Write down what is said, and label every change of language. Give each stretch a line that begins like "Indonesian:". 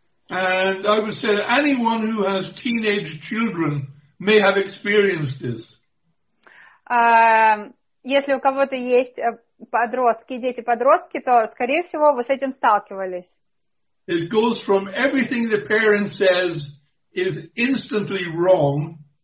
English: And I would say anyone who has teenage children may have experienced this.
Russian: Если у кого-то есть подростки, дети-подростки, то, скорее всего, вы с этим сталкивались.
English: It goes from everything the parent says is instantly wrong.